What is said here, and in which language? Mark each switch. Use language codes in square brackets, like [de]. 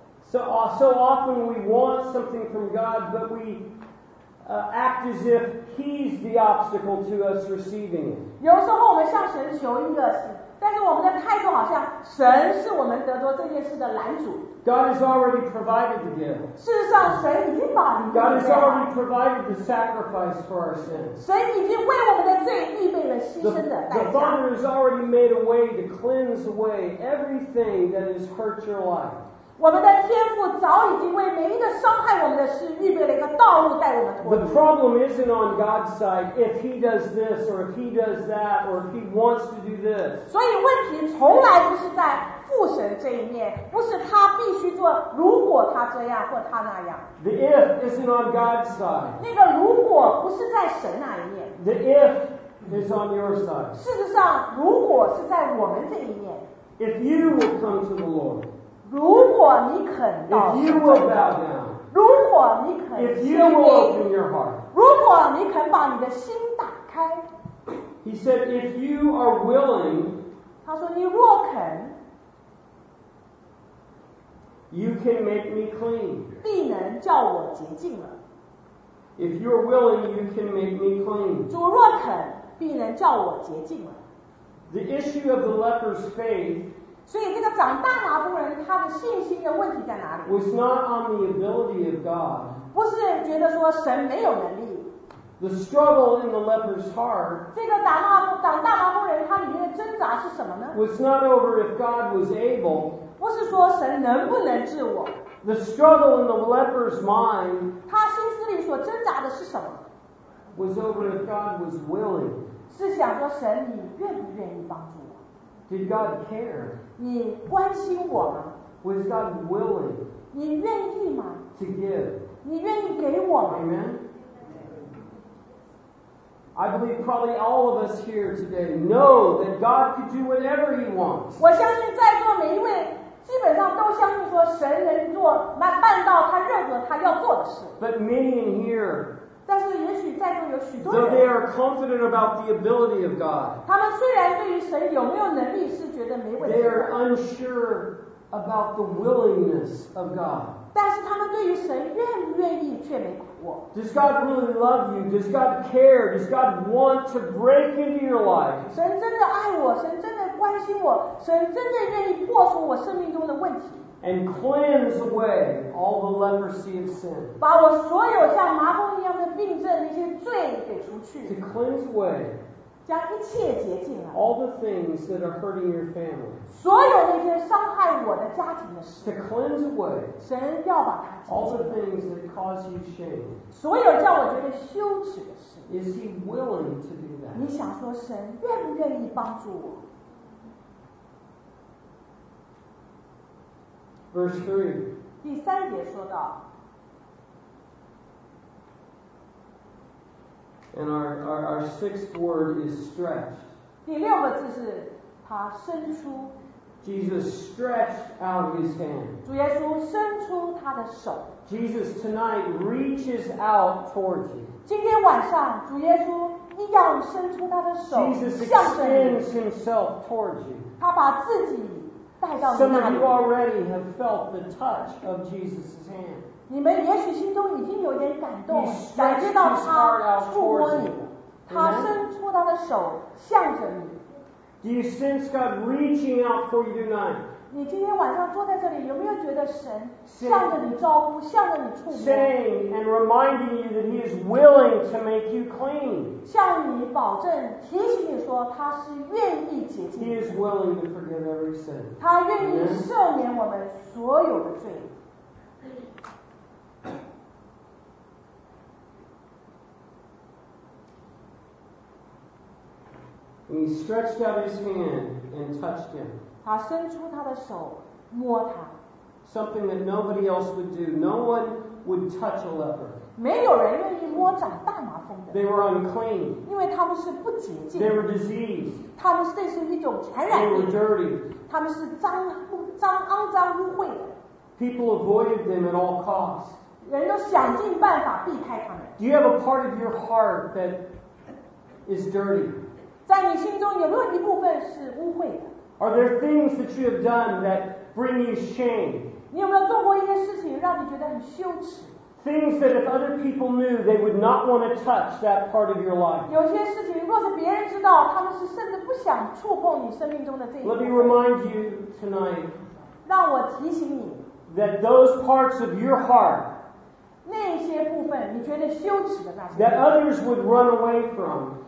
[en] So often we want something from God, but we act as if He's the obstacle to us receiving it. [zh] 有时候我们向神求一个事。但是我们的态度好像神是我们得着这件事的拦阻。 [en] God has already provided the gift. [zh] 事实上神已经把你预备了。 [en] God has already provided the sacrifice for our sins. [zh] 神已经为我们的罪预备了牺牲的代价。 [en] The Father has already made a way to cleanse away everything that has hurt your life. [zh] 我们的天父早已经为每一个伤害我们的事预备了一个道路带我们脱离。 [en] The problem isn't on God's side if He does this or if He does that or if He wants to do this. [zh] 所以问题从来不是在父神这一面，不是他必须做，如果他这样或他那样。 [en] The if isn't on God's side. [zh] 那个如果不是在神那一面。 [en] The if is on your side. [zh] 事实上，如果是在我们这一面。 [en] If you will come to the Lord. [zh] 如果你肯到神中， [en] If you will bow down, [zh] 如果你肯 [en] ，If you will open your heart, [zh] 如果你肯把你的心打开 [en] ，He said, if you are willing, [zh] 他说你若肯 [en] ，You can make me clean, [zh] 必能叫我洁净了。 [en] If you are willing, you can make me clean, [zh] 主若肯，必能叫我洁净了。 [en] The issue of the leper's faith. [zh] 所以这个长大麻风人他的信心的问题在哪里 [en] was not on the ability of God. [zh] 不是觉得说神没有能力 [en] The struggle in the leper's heart [zh] 这个长大麻风人他里面的挣扎是什么呢 [en] was not over if God was able [zh] 不是说神能不能治我 [en] The struggle in the leper's mind [zh] 他心思里所挣扎的是什么 [en] was over if God was willing [zh] 是想说神你愿不愿意帮助我 [en] Did God care? [zh] 你关心我吗? [en] Was God willing? [zh] 你愿意吗? [en] To give. [zh] 你愿意给我吗? [en] Amen. I believe probably all of us here today know that God could do whatever He wants. [zh] 我相信在座每一位基本上都相信说神能做办到他任何他要做的事。 [en] But many in here. [zh] 但是也许在座有许多人。 [en] Though they are confident about the ability of God. [zh] 他们虽然对于神有没有能力是觉得没问题。 [en] They are unsure about the willingness of God. [zh] 但是他们对于神愿不愿意却没把握。 [en] Does God really love you? Does God care? Does God want to break into your life? [zh] 神真的爱我，神真的关心我，神真的愿意破除我生命中的问题。 [en] And cleanse away all the leprosy of sin. [zh] 把我所有像麻风一样的病症那些罪给除去。 [en] To cleanse away. [zh] 将一切洁净了。 [en] All the things that are hurting your family. [zh] 所有那些伤害我的家庭的事。 [en] To cleanse away. [zh] 神要把它洁净。 [en] All the things that cause you shame. [zh] 所有叫我觉得羞耻的事。 [en] Is He willing to do that? [zh] 你想说神愿不愿意帮助我？ [en] Verse 3. [zh] 第三节说到。 [en] And our sixth word is stretched. [zh] 第六个字是他伸出。 [en] Jesus stretched out his hand. [zh] 主耶稣伸出他的手。 [en] Jesus tonight reaches out towards you. [zh] 今天晚上主耶稣一样伸出他的手向着你。 [en] Jesus extends himself towards you. [zh] 他把自己 [en] Some of you already have felt the touch of Jesus' hand. [zh] 你们也许心中已经有点感动，感觉到他触摸你，他伸出他的手向着你。 [en] Do you sense God reaching out for you tonight? [zh] 你今天晚上坐在这里，有没有觉得神向着你招呼，向着你触摸 [en] ？Saying and reminding you that He is willing to make you clean. [zh] 向你保证，提醒你说他是愿意洁净。 [en] He is willing to forgive every sin. [zh] 他愿意赦免我们所有的罪。 [en] And he stretched out his hand and touched him. [zh] 他伸出他的手摸他。 [en] Something that nobody else would do. No one would touch a leper. [zh] 没有人愿意摸长大麻风的。 [en] They were unclean. [zh] 因为他们是不洁净。 [en] They were diseased. [zh] 他们这是一种传染病。 [en] They were dirty. [zh] 他们是肮脏污秽的。 [en] People avoided them at all costs. [zh] 人都想尽办法避开他们。 [en] Do you have a part of your heart that is dirty? [zh] 在你心中有没有一部分是污秽的？ [en] Are there things that you have done that bring you shame? [zh] 你有没有做过一些事情让你觉得很羞耻？ [en] Things that if other people knew, they would not want to touch that part of your life. [zh] 有些事情若是别人知道，他们是甚至不想触碰你生命中的这一部分。 [en] Let me remind you tonight. [zh] 让我提醒你。 [en] That those parts of your heart. [zh] 那些部分你觉得羞耻的那些。 [en] That others would run away from.